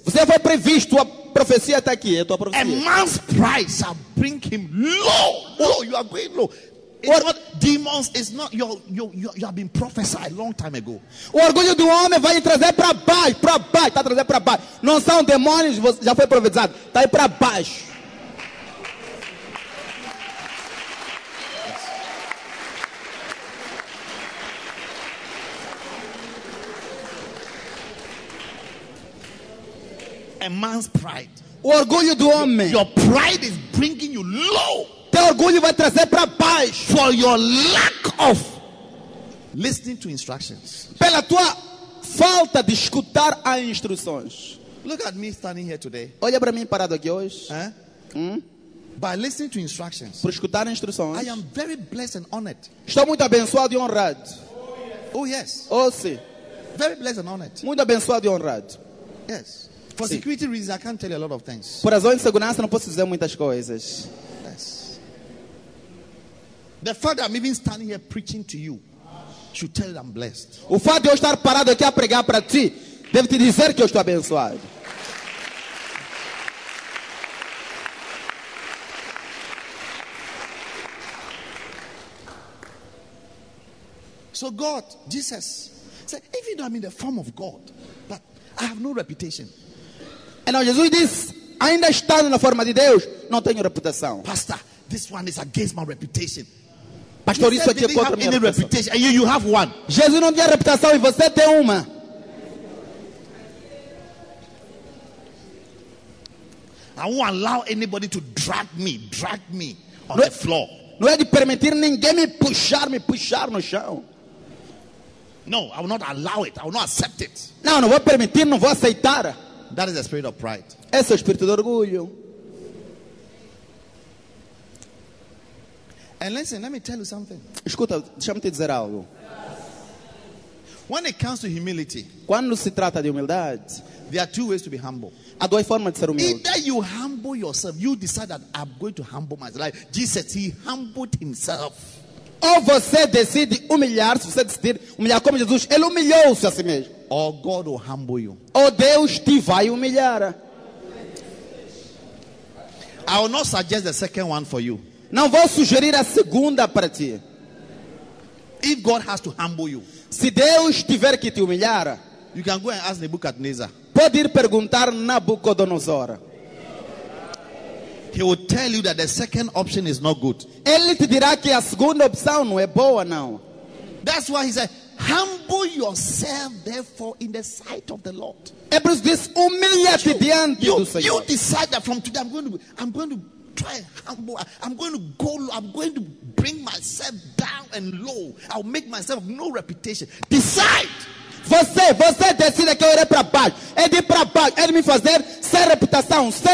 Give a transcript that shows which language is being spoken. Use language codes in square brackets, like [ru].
[pt] Você já foi previsto, a profecia está aqui, é tua profecia. [en] A man's pride shall bring him low. Oh, you are going low. It's not demons, it's not you have been prophesied a long time ago. [pt] O orgulho do homem vai trazer para baixo, tá trazendo para baixo. Não são demônios, você já foi profetizado. Tá aí para baixo. Yes. [en] a man's pride. [pt] O orgulho do homem. [en] Your pride is bringing you low. [pt] Teu orgulho vai trazer para baixo. [en] For your lack of listening to instructions. [pt] Pela tua falta de escutar as instruções. [en] Look at me standing here today. [pt] Olha para mim parado aqui hoje. Eh? Hmm? [en] By listening to instructions. [pt] Por escutar instruções. [en] I am very blessed and honored. [pt] Estou muito abençoado e honrado. [en] Oh yes. [pt] Oh sim. [en] Very blessed and honored. [pt] Muito abençoado e honrado. [en] Yes. For security reasons, I can't tell you a lot of things. [pt] Por razões de segurança, não posso dizer muitas coisas. [en] Yes. The fact that I'm even standing here preaching to you should tell you I'm blessed. [pt] O fato de eu estar parado aqui a pregar para ti deve te dizer que eu estou abençoado. [en] So God, Jesus, said, even though I'm in the form of God, but I have no reputation. And now [pt] Jesus diz, ainda estando na forma de Deus, não tenho reputação. [en] Pastor, this one is against my reputation. [pt] Pastor, isso aqui é contra a minha reputação. [en] And you have one. [pt] Jesus não tinha reputação e você tem uma. [en] I won't allow anybody to drag me on the floor. [pt] Não é de permitir ninguém me puxar no chão. [en] No, I will not allow it. I will not accept it. [pt] Não, não vou permitir, não vou aceitar. [en] That is the spirit of pride. [pt] Esse é o espírito de orgulho. [en] And listen, let me tell you something. [pt] Escuta, deixa-me te dizer algo. [en] When it comes to humility, [pt] quando se trata de humildade, [en] there are two ways to be humble. [pt] Há duas formas de ser humilde. [en] Either you humble yourself, you decide that I'm going to humble myself. Like Jesus, he humbled himself. [pt] Ou você decide humilhar-se, você decide humilhar como Jesus, ele humilhou-se a si mesmo. [en] Or God will humble you. [pt] Ou Deus te vai humilhar. [en] I will not suggest the second one for you. [pt] Não vou sugerir a segunda para ti. [en] If God has to humble you, [pt] se Deus tiver que te humilhar, [en] you can go and ask Nebuchadnezzar. [pt] Pode ir perguntar Nabucodonosor. [en] He will tell you that the second option is not good. [pt] Ele te dirá que a segunda opção não é boa não. [en] That's why he said, humble yourself therefore in the sight of the Lord. [pt] Hebrews diz, humilha-te diante do Senhor. [en] You decide that from today I'm going to try humble. I'm going to go low. I'm going to bring myself down and low. I'll make myself no reputation. Decide. [pt] Você decide que eu irei para baixo. É de ir para baixo. É de me fazer sem reputação.